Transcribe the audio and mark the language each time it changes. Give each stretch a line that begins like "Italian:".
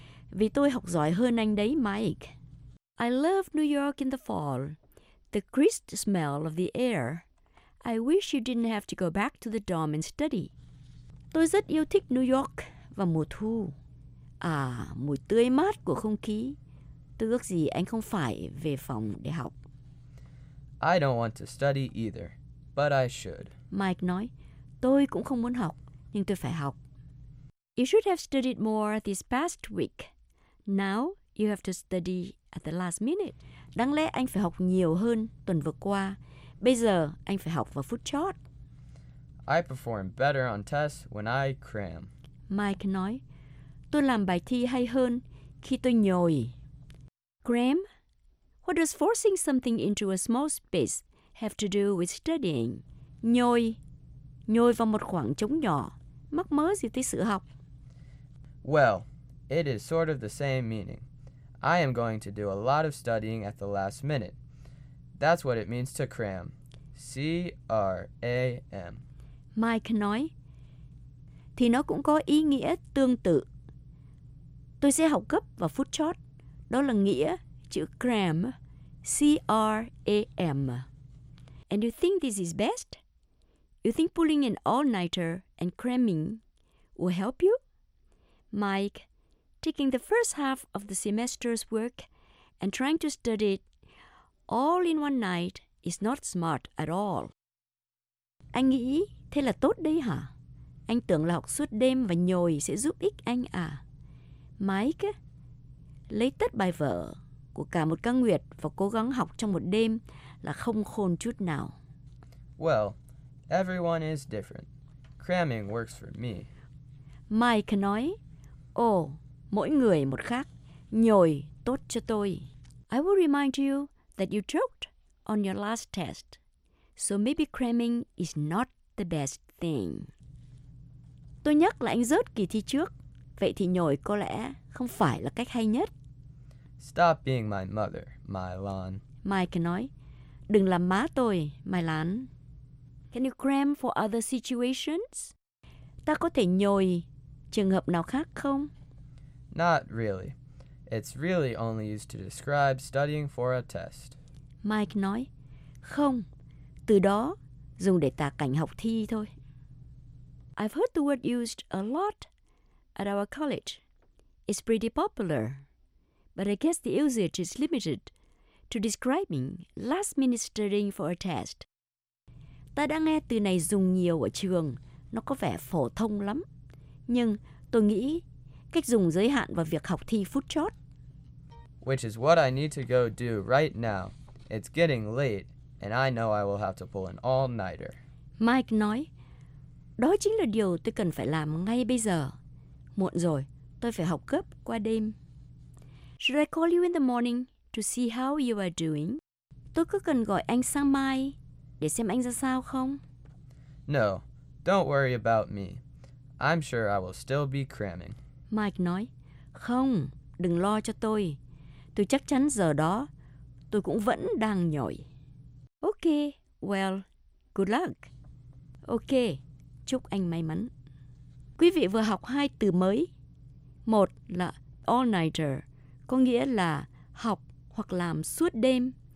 Vietnamese: Vì tôi học giỏi hơn anh đấy, Mike.
English: I love New York in the fall. The crisp smell of the air. I wish you didn't have to go back to the dorm and study.
Vietnamese: Tôi rất yêu thích New York vào mùa thu. À, mùi tươi mát của không khí. Tôi ước gì anh không phải về phòng để học.
English: I don't want to study either, but I should.
Vietnamese: Mike nói, tôi cũng không muốn học, nhưng tôi phải học.
English: You should have studied more this past week. Now you have to study at the last minute.
Vietnamese: Đáng lẽ anh phải học nhiều hơn tuần vừa qua. Bây giờ anh phải học vào phút chót.
English: I perform better on tests when I cram.
Vietnamese: Mike nói, tôi làm bài thi hay hơn khi tôi nhồi.
English: Cram? What does forcing something into a small space have to do with studying?
Vietnamese: Nhồi. Nhồi vào một khoảng trống nhỏ. Mắc mớ gì tới sự học.
English: Well, it is sort of the same meaning. I am going to do a lot of studying at the last minute. That's what it means to cram. C-R-A-M.
Vietnamese: Mike nói, thì nó cũng có ý nghĩa tương tự. Tôi sẽ học gấp vào phút chót. Đó là nghĩa chữ cram, C-R-A-M.
English: And you think this is best? You think pulling an all-nighter and cramming will help you? Mike, taking the first half of the semester's work and trying to study it all in one night is not smart at all.
Vietnamese: Anh nghĩ thế là tốt đấy hả? Anh tưởng là học suốt đêm và nhồi sẽ giúp ích anh à? Mike, lấy tất bài vở của cả một căn nguyệt và cố gắng học trong một đêm là không khôn chút nào.
English: Well, everyone is different. Cramming works for me.
Vietnamese: Mike nói, ồ, mỗi người một khác. Nhồi tốt cho tôi.
English: I will remind you that you choked on your last test. So maybe cramming is not the best thing.
Vietnamese: Tôi nhắc là anh rớt kỳ thi trước. Vậy thì nhồi có lẽ không phải là cách hay nhất.
English: Stop being my mother, Mylan.
Vietnamese: Mike nói, đừng làm má tôi, Mylan.
English: Can you cram for other situations?
Vietnamese: Ta có thể nhồi trường hợp nào khác không?
English: Not really. It's really only used to describe studying for a test.
Vietnamese: Mike nói, không. Từ đó, dùng để tả cảnh học thi thôi.
English: I've heard the word used a lot at our college. It's pretty popular. But I guess the usage is limited to describing last minute studying for a test.
Vietnamese: Ta đã nghe từ này dùng nhiều ở trường, nó có vẻ phổ thông lắm. Nhưng tôi nghĩ cách dùng giới hạn vào việc học thi phút chót.
English: Which is what I need to go do right now. It's getting late and I know I will have to pull an all-nighter.
Vietnamese: Mike nói, đó chính là điều tôi cần phải làm ngay bây giờ. Muộn rồi, tôi phải học gấp qua đêm.
English: Should I call you in the morning to see how you are doing?
Vietnamese: Tôi có cần gọi anh sang mai để xem anh ra sao không?
English: No, don't worry about me. I'm sure I will still be cramming.
Vietnamese: Mike nói, không, đừng lo cho tôi. Tôi chắc chắn giờ đó, tôi cũng vẫn đang nhồi.
English: Okay, well, good luck.
Vietnamese: Okay, chúc anh may mắn. Quý vị vừa học hai từ mới. Một là all-nighter, có nghĩa là học hoặc làm suốt đêm.